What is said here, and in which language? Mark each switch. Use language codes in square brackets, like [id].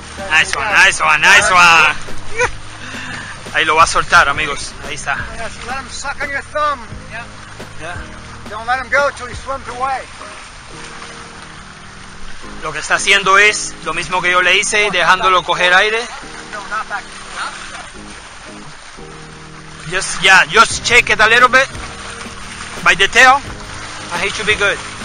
[en] Nice one, nice one, nice one. [es] Ahí lo va a soltar, amigos. Ahí está. [en] Let him suck on your thumb. Yeah. Don't let him go till he swims away. [es] Lo que está haciendo es lo mismo que yo le hice, dejándolo coger aire. [en] Just, yeah, just check it a little bit by the tail, and he should be good.